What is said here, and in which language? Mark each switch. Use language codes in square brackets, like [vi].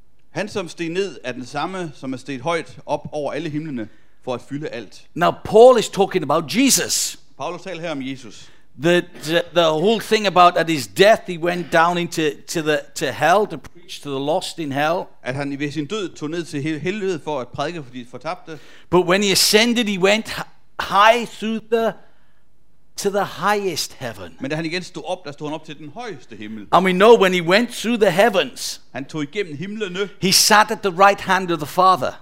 [da] Han som steg ned er den samme som er steget højt op over alle himlene for at fylde alt. [en] Now Paul is talking about Jesus. [da] Paulus taler her om Jesus. [en] The whole thing about at his death he went down into to hell to preach preach to the lost in hell. [da] At han ved sin død tog ned til helvede for at prædike for de fortabte. [en] But when he ascended, he went high through the to the highest heaven. [da] Men da han igen stod op, der stod han op til den højeste himmel. [en] And we know when he went through the heavens. [da] Han tog igennem himlene. [en] He sat at the right hand of the Father.